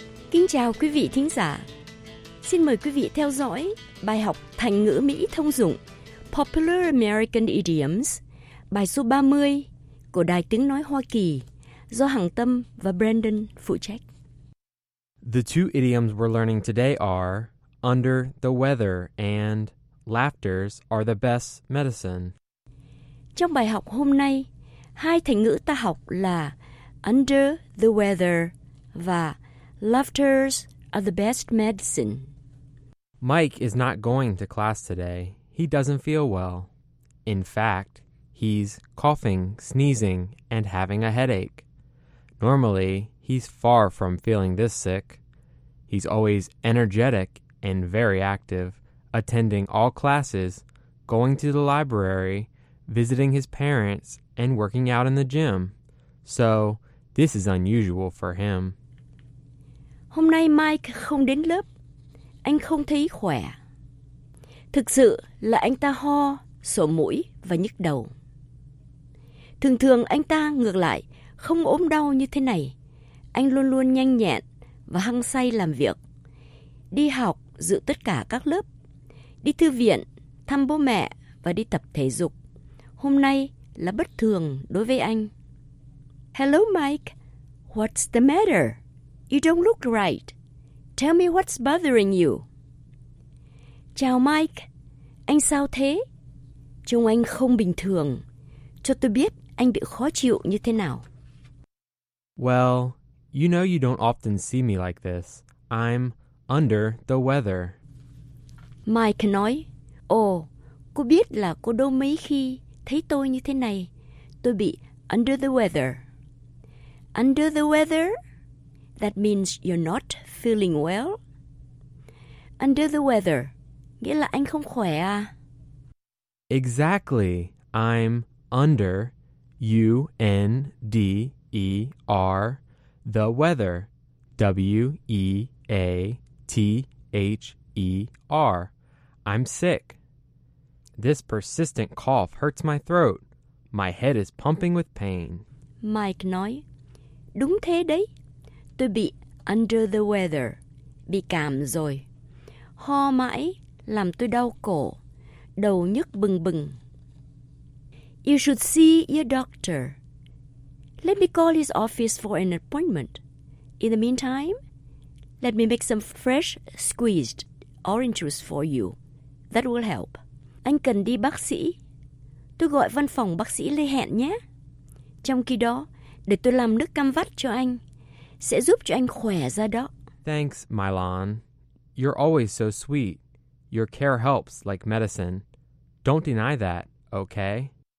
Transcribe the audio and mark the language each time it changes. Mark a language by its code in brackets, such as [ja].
[vi] Kính chào quý vị thính giả. Xin mời quý vị theo dõi bài học thành ngữ Mỹ thông dụng Popular American Idioms, bài số 30 của Đài Tiếng Nói Hoa Kỳ do Hằng Tâm và Brandon phụ trách. [en] The two idioms we're learning today are under the weather and laughters are the best medicine. [vi] Trong bài học hôm nay, hai thành ngữ ta học là under the weather và laughters are the best medicine. [en] Mike is not going to class today. He doesn't feel well. In fact, he's coughing, sneezing, and having a headache. Normally, he's far from feeling this sick. He's always energetic and very active, attending all classes, going to the library, visiting his parents, and working out in the gym. So, this is unusual for him. [vi] Hôm nay Mike không đến lớp. anh không thấy khỏe. Thực sự là anh ta ho, sổ mũi và nhức đầu. Thường thường anh ta ngược lại không ốm đau như thế này. Anh luôn luôn nhanh nhẹn và hăng say làm việc. Đi học, dự tất cả các lớp. Đi thư viện, thăm bố mẹ và đi tập thể dục. Hôm nay là bất thường đối với anh. [en] Hello Mike, what's the matter? You don't look right. Tell me what's bothering you. [vi] Chào Mike, anh sao thế? Trông anh không bình thường. Cho tôi biết anh bị khó chịu như thế nào. [en] Well, you know you don't often see me like this. I'm under the weather. [vi] Mike nói, cô biết là cô đâu mấy khi thấy tôi như thế này. Tôi bị under the weather. Under the weather? [en] That means you're not feeling well. Under the weather, [vi] nghĩa là anh không khỏe à? [en] Exactly. I'm under, U-N-D-E-R, the weather, W-E-A-T-H-E-R. I'm sick. This persistent cough hurts my throat. My head is pumping with pain. [vi] Mike nói, đúng thế đấy. Tôi bị under the weather, bị cảm rồi. Ho mãi làm tôi đau cổ, đầu nhức bừng bừng. [en] You should see your doctor. Let me call his office for an appointment. In the meantime, let me make some fresh squeezed orange juice for you. That will help. [vi] Anh cần đi bác sĩ. Tôi gọi văn phòng bác sĩ Lê Hẹn nhé. Trong khi đó, để tôi làm nước cam vắt cho anh. Sẽ giúp cho anh khỏe ra đó. [en] Thanks, Mylon. You're always so sweet. Your care helps like medicine. Don't deny that, okay?